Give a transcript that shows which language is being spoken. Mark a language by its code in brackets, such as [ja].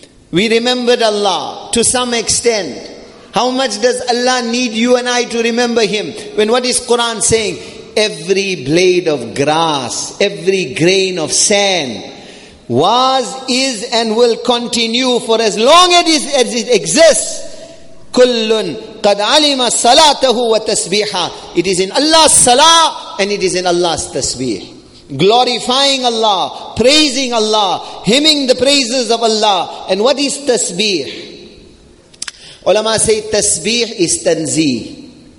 [en] We remembered Allah to some extent. How much does Allah need you and I to remember Him? When what is Quran saying? Every blade of grass, every grain of sand was, is, and will continue for as long as it exists. [ar] Kullun قَدْ عَلِمَ صَلَاتَهُ وَتَسْبِيحًا. [en] It is in Allah's salah and it is in Allah's tasbih. Glorifying Allah, praising Allah, hymning the praises of Allah. And what is tasbih? Ulama say tasbih is tanzih.